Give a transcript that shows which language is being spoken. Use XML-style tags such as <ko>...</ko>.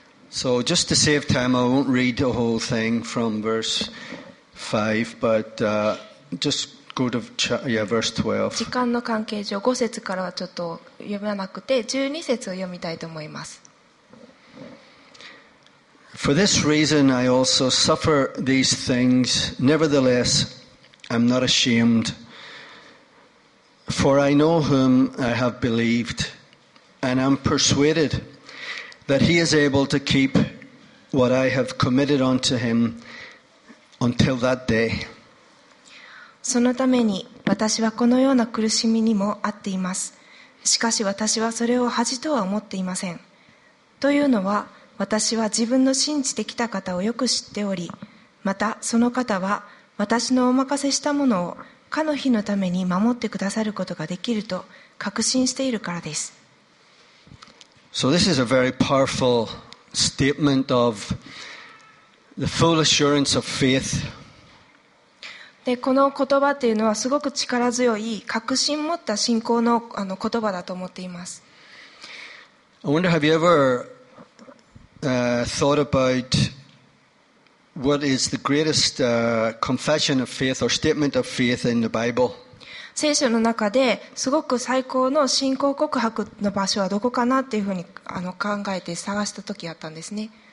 <en>So just to save time, I won't read the whole thing from verse 5, but just go to verse 12.</en> <ja>時間の関係上5節からはちょっと読まなくて12節を読みたいと思います。</ja> <en>For this reason I also suffer these things, nevertheless I'm not ashamed, for I know whom I have believed, and I'm persuaded that he is able to keep what I have committed unto himUntil that day.</en> <ja>そのために私はこのような苦しみにも遭っています。しかし私はそれを恥とは思っていません。というのは私は自分の信じてきた方をよく知っており、またその方は私のお任せしたものをかの日のために守ってくださることができると確信しているからです。</ja> <en>So this is a very powerful statement ofThe full assurance of faith.</en> <ja>でこの言葉というのはすごく力強い確信持った信仰 の, 言葉だと思っています。</ja> <en>I wonder, have you ever thought about what is the greatest confession of faith or statement of faith in the Bible?</en> <ja>聖書の中ですごく最高の信仰告白の場所はどこかなというふうに考えて探した時があったんですね。</ja>